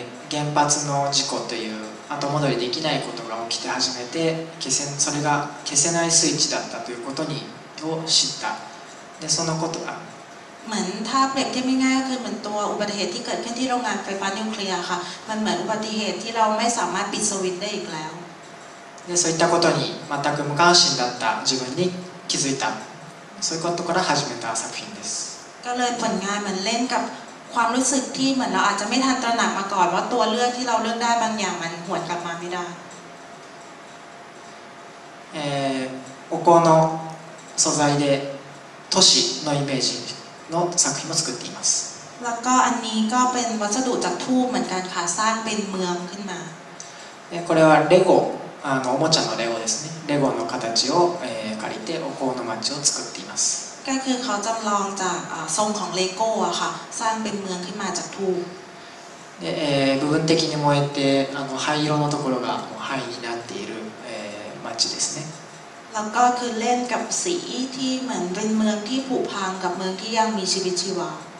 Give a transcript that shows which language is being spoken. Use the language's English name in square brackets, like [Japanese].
[Japanese] 原発の事故という後戻りできないことが起きて始めて消せそれが消せないスイッチだったということにを知ったでそのことが [Thai] เหมือนถ้าเปรียบเทียบง่ายๆก็คือเหมือนตัวอุบัติเหตุที่เกิดขึ้นที่โรงงานไฟฟ้านิวเคลียร์ค่ะมันเหมือนอุบัติเหตุที่เราไม่สามารถปิดสวิตช์ได้อีกแล้ว [Japanese] でそういったことに全く無関心だった自分に気づいたそういうことから始めた作品です [Thai] ก็เลยผลงานมันเล่นกับความรู้สึกที่เหมือนเราอาจจะไม่ทันตระหนักมาก่อนว่าตัวเลือกที่เราเลือกได้บางอย่างมันหวนกลับมาไม่ได้ [Japanese] お香の素材で都市のイメージの作品も作っています [Thai] แล้วก็อันนี้ก็เป็นวัสดุจากทูบเหมือนกันค่ะสร้างเป็นเมืองขึ้นมา [Japanese] これはレゴあのおもちゃのレゴですねレゴの形を借りてお香の街を作っています [Thai] ก็คือเขาจำลองจากทรงของเลโก้อะค่ะสร้างเป็นเมืองขึ้นมาจากทูบ [Japanese] 部分的に燃えてあの灰色のところが灰になっている街ですね [Thai] แล้วก็คือเล่นกับสีที่เหมือนเป็นเมืองที่ผุพังกับเมืองที่ยังมีชีวิตชีวา